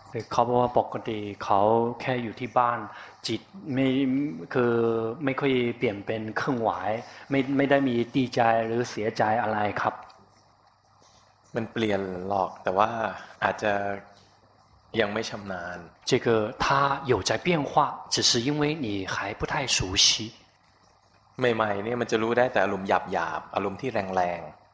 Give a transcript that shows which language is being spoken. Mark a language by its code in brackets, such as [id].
[th] เขาบอกว่าปกติเขาแค่อยู่ที่บ้านจิตไม่คือไม่ค่อยเปลี่ยนเป็นเครื่องหวายไม่ได้มีดีใจหรือเสียใจอะไรครับ มันเปลี่ยนหรอกแต่ว่าอาจจะยังไม่ชำนาญ [zh] 这个它有在变化只是因为你还不太熟悉 [th] ใหม่ๆเนี่ยมันจะรู้ได้แต่อารมณ์หยาบๆอารมณ์ที่แรงๆ